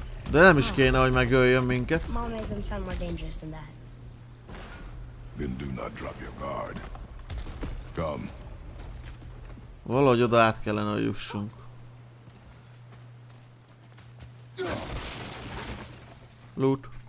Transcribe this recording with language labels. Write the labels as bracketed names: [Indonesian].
[Hungarian] De nem is kéne, hogy megöljön minket. [English] Then do not drop your guard. Come. [Hungarian] Valahogy oda át kellene, hogy jussunk. [English] Loot.